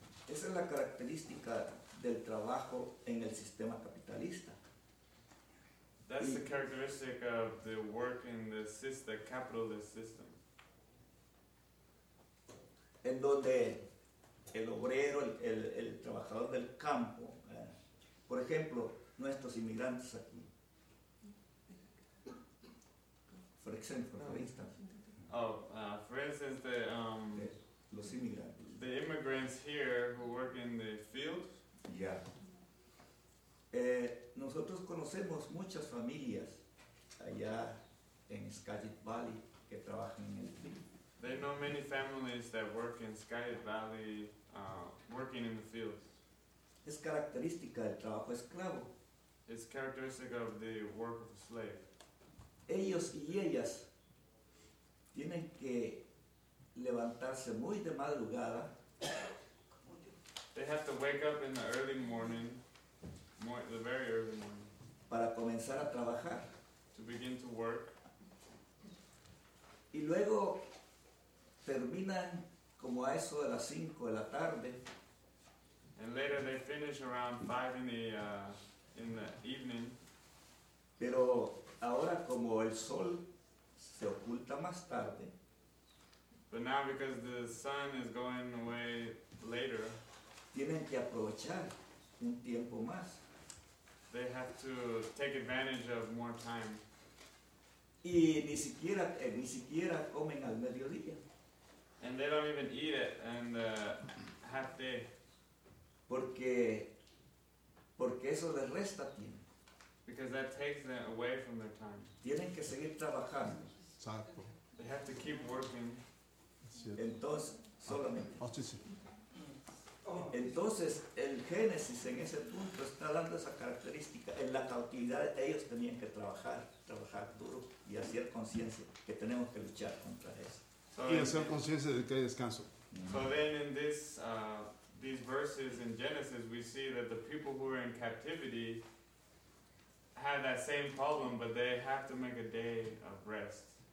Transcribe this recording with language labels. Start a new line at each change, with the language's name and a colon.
Spanish: Esa es la característica del trabajo en el sistema capitalista.
English: That's the characteristic of the work in the capitalist system.
Spanish: En donde el obrero, el trabajador del campo, por ejemplo, nuestros inmigrantes aquí.
English: For example, for instance. Oh, for instance,
Spanish: los inmigrantes.
English: The immigrants here who work in the field. Yeah.
Spanish: Nosotros conocemos muchas familias allá en Skagit Valley que trabajan en el field.
English: They know many families that work in Skagit Valley, working in the field.
Spanish: Es característica del trabajo esclavo.
English: It's characteristic of the work of a slave.
Spanish: Ellos y ellas tienen que levantarse muy de madrugada.
English: They have to wake up in the early morning, the very early morning.
Spanish: Para comenzar a trabajar.
English: To begin to work.
Spanish: Y luego terminan como a eso de las 5 de la tarde.
English: And later they finish around 5 in the evening.
Spanish: Pero ahora como el sol se oculta más tarde.
English: But now because the sun is going away later.
Spanish: Tienen que aprovechar un tiempo más.
English: They have to take advantage of more time.
Spanish: Y ni siquiera comen al mediodía.
English: And they don't even eat it in the half day.
Spanish: Porque eso les resta tiempo.
English: Because that takes them away from their time.
Spanish: Tienen que seguir trabajando. Exacto.
English: They have to keep working.
Spanish: Entonces, solamente. Oh, sí. Entonces, el Génesis en ese punto está dando esa característica. En la cautividad ellos tenían que trabajar duro y hacer conciencia que tenemos que luchar contra eso. Y hacer conciencia de que hay descanso.
English: So then in this... these verses in Genesis, we see that the people who are in captivity had that same problem, but they have to make a day of rest.